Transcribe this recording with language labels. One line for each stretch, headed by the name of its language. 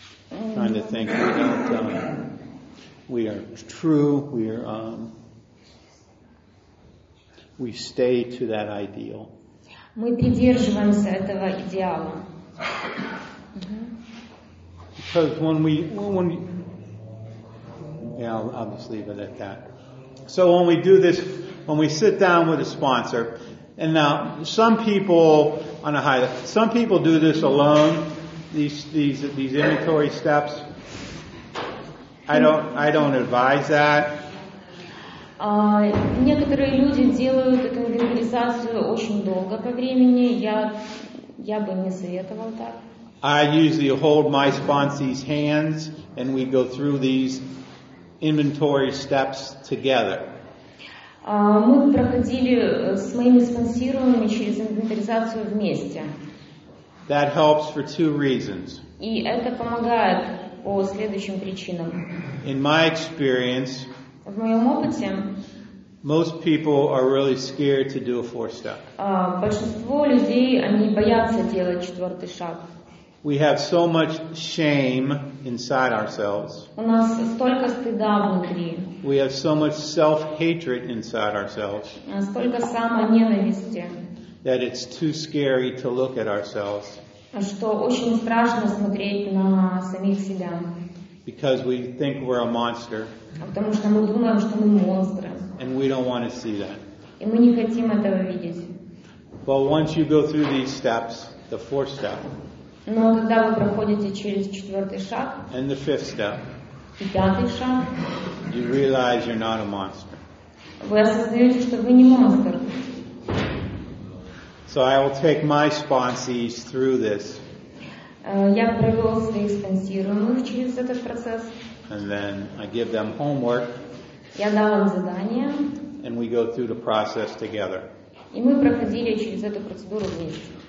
English: trying to think we don't we are true, we are we stay to that ideal.
Russian: Мы придерживаемся этого идеала.
English: Because I'll just leave it at that. So when we do this, when we sit down with a sponsor, and now some people do this alone. These inventory steps. I don't advise that.
Russian: Некоторые люди делают эту инвентаризацию очень долго по времени. Я бы не советовал так.
English: I usually hold my sponsee's hands, and we go through these inventory steps together.
Russian: Мы проходили с моими спонсируемыми через инвентаризацию вместе.
English: That helps for two reasons.
Russian: И это помогает по следующим причинам.
English: In my experience,
Russian: в моем опыте,
English: most people are really scared to do a fourth step.
Russian: Большинство людей, они боятся делать четвертый шаг.
English: We have so much shame inside ourselves.
Russian: У нас столько стыда внутри.
English: We have so much self-hatred inside ourselves.
Russian: Столько самоненависти.
English: That it's too scary to look at ourselves.
Russian: Что очень страшно смотреть на самих себя.
English: Because we think we're a monster.
Russian: Потому что мы думаем, что мы монстры.
English: And we don't want to see that.
Russian: И мы не хотим этого видеть.
English: But once you go through these steps, the fourth step.
Russian: Но когда вы проходите через четвертый шаг
English: and the fifth step,
Russian: и пятый шаг,
English: you realize you're not a monster.
Russian: Вы осознаете, что вы не монстр.
English: So I will take my sponsees through this.
Russian: Я привел своих спонсируемых через этот процесс.
English: And then I give them homework.
Russian: Я дал им задание.
English: And we go through the process together.
Russian: И мы проходили через эту процедуру вместе.